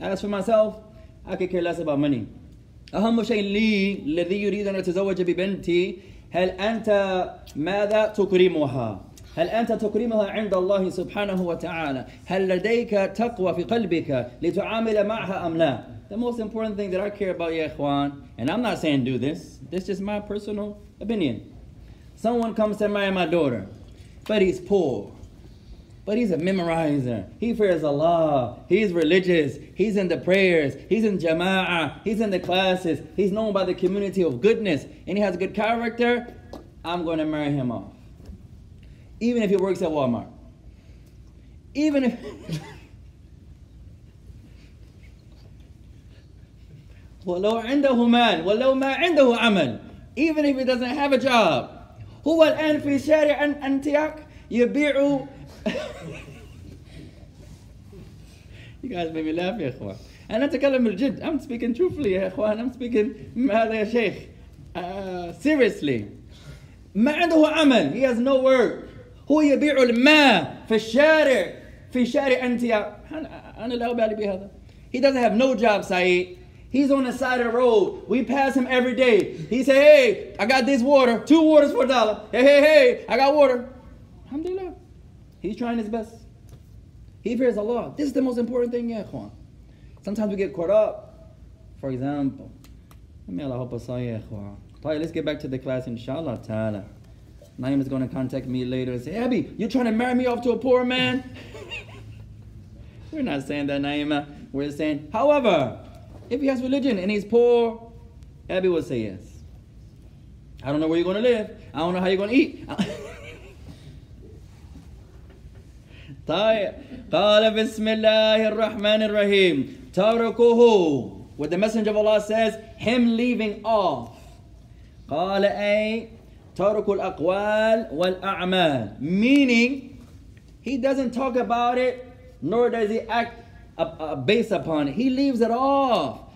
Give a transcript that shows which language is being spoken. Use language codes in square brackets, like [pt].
[en] As for myself, I could care less about money. [ar] أهم شيء لي الذي يريد أن يتزوج ببنتي هل أنت ماذا تكرمها؟ هل أنت تكرمها عند الله سبحانه وتعالى؟ هل لديك تقوى في قلبك لتعامل معها أم لا؟ [en] The most important thing that I care about, ya ikhwan, and I'm not saying do this. This is my personal opinion. Someone comes to marry my daughter, but he's poor. But he's a memorizer. He fears Allah. He's religious. He's in the prayers. He's in jama'ah. He's in the classes. He's known by the community of goodness. And he has good character. I'm going to marry him off. Even if he works at Walmart. Even if... [ar] وَلَوْ عِنْدَهُ مَالٌ وَلَوْ مَا عِنْدَهُ عَمَلٌ [en] Even if he doesn't have a job. [ar] هُوَ الْآن فِي شَارِعَ أَنْتِيَاكْ يَبِيعُ [en] You guys made me laugh, ya ikhwan. And I'm talking about jid. I'm speaking truthfully, ya ikhwan. I'm speaking, [ar] ماذا يا شيخ? [en] Seriously. [ar] مَا عِنْدَهُ عَمَلٌ [en] He has no work. [ar] هو يبيع الماء في الشارع أنتياخ أنا لا أبالي بهذا. [en] He doesn't have no job, Saeed. He's on the side of the road. We pass him every day. He say, hey, I got this water. Two waters for a dollar. Hey, I got water. Alhamdulillah. He's trying his best. He fears Allah. This is the most important thing, ya ikhwan. Sometimes we get caught up. For example, may Allah help us all, ya ikhwan. Let's get back to the class, inshallah ta'ala. Naim is going to contact me later and say, Abby, you're trying to marry me off to a poor man? We're not saying that, Naima. We're saying, however, if he has religion and he's poor, Abby will say yes. I don't know where you're going to live. I don't know how you're going to eat. [ar] طيب. قال بسم الله الرحمن الرحيم. تركه. [en] What the Messenger of Allah says, him leaving off. [ar] قال أي تَرُكُ الْأَقْوَالِ وَالْأَعْمَالِ [en] Meaning, he doesn't talk about it, nor does he act based upon it. He leaves it off.